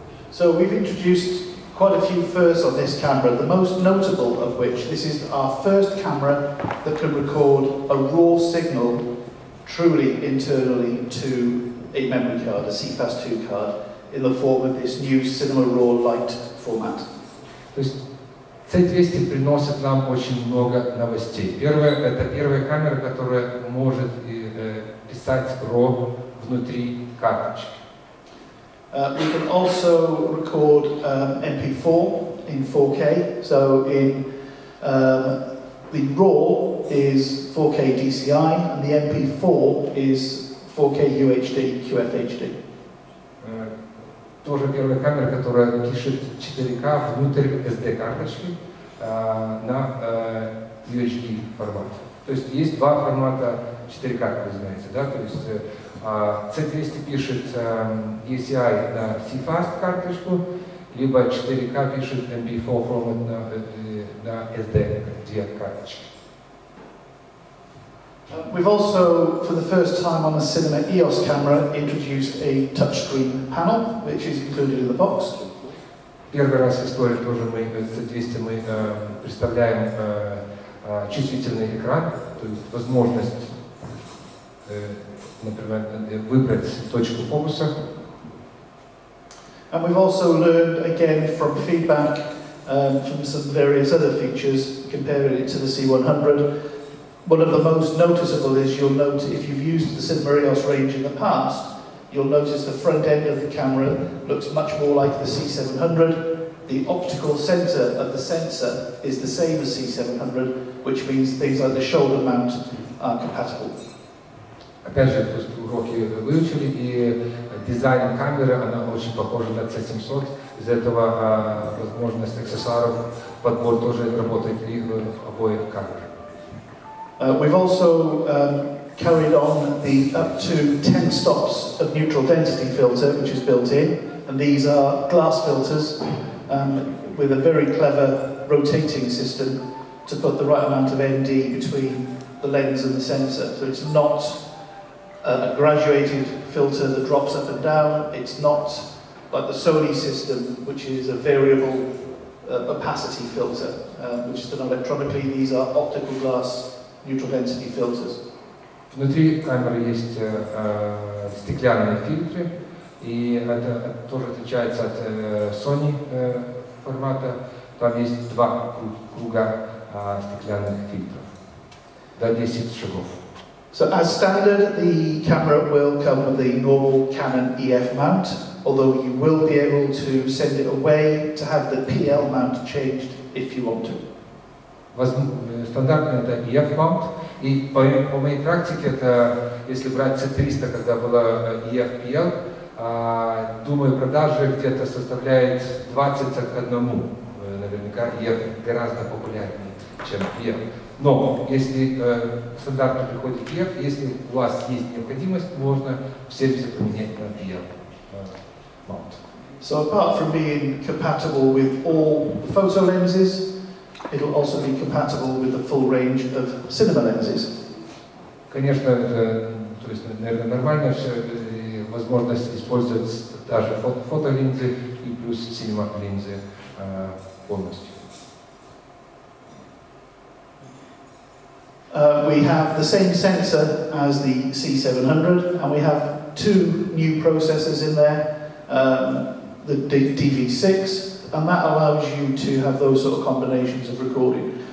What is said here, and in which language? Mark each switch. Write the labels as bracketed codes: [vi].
[en] So we've introduced quite a few firsts on this camera, the most notable of which, this is our first camera that can record a raw signal truly internally to a memory card, a CFast 2 card, in the form of this new Cinema Raw Light format. [ru] То есть C200 приносит нам очень много новостей. Первое, это первая камера, которая может писать RAW внутри карточки. [en] We can also record MP4 in 4K. So in the RAW is 4K DCI and the MP4 is 4K UHD, QFHD. [ru] Тоже первая камера, которая пишет 4K внутрь SD карточки на UHD формате. То есть есть два формата 4K, как вы знаете, да, то есть C200 пишет DCI на CFast карточку, либо 4K пишет MP4 формат на SD карточке. [en] We've also, for the first time on the Cinema EOS camera, introduced a touchscreen panel, which is included in the box. [ru] Первый раз в истории тоже мы C200 мы представляем чувствительный экран, то есть возможность, например, выбрать точку фокуса. [en] And we've also learned again from feedback from some various other features comparing it to the C100. One of the most noticeable is you'll note if you've used the Cinema EOS range in the past, you'll notice the front end of the camera looks much more like the C700. The optical center of the sensor is the same as C700, which means things like the shoulder mount are compatible. [ru] Опять же, то есть уроки выучили, и дизайн камеры, она очень похожа на C700, из этого возможность аксессуаров, подбор тоже работает и в обоих камерах. [en] We've also carried on the up to 10 stops of neutral density filter, which is built in, and these are glass filters with a very clever rotating system to put the right amount of ND between the lens and the sensor, so it's not a graduated filter that drops up and down. It's not like the Sony system, which is a variable opacity filter, which is done electronically. These are optical glass neutral density filters. [ru] Внутри камеры есть стеклянные фильтры, и это тоже отличается от Sony формата. Там есть два круга стеклянных фильтров до 10 шагов. [en] So as standard, the camera will come with a normal Canon EF mount, although you will be able to send it away to have the PL mount changed if you want to. [ru] Стандартный это EF mount, и по моей практике это, если брать C300, когда было EF PL, думаю, продажи где-то составляет 20 к 1. Наверняка EF гораздо популярнее, чем PL. Но если стандартно приходит EF, если у вас есть необходимость, можно в сервисе поменять на PL mount. [en] So apart from being compatible with all photo lenses, it'll also be compatible with the full range of cinema lenses. [ru] Конечно, то есть, наверное, нормально, возможность использовать даже фотолинзы и плюс cinema линзы полностью. [en] We have the same sensor as the C700, and we have two new processors in there, the DV6, and that allows you to have those sort of combinations of recording.